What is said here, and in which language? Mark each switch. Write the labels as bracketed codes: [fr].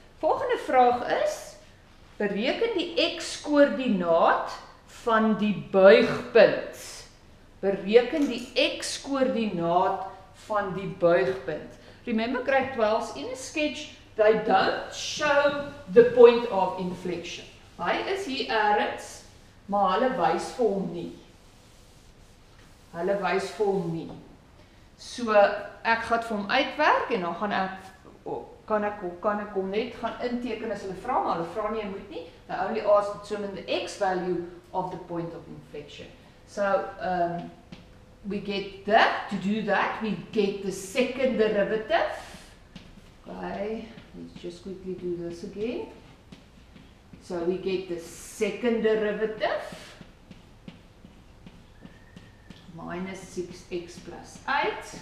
[af] Volgende vraag is, bereken die x-koördinaat van die buigpunt. Bereken die x-koördinaat van die buigpunt. [en] Remember, grade 12's in a sketch, they don't show the point of inflection. [af] Hy is hier ergens, maar hulle wys vir hom nie. Hulle wys vir hom nie. So, ek gaat vir hom uitwerk en dan gaan ek kan ek hom net gaan inteken as hulle vra, maar hulle vra nie, jy moet nie. [en] They only ask to determine the x value of the point of inflection. So, we get that, to do that, we get the second derivative. Okay, let's just quickly do this again. So we get the second derivative, minus 6x plus 8.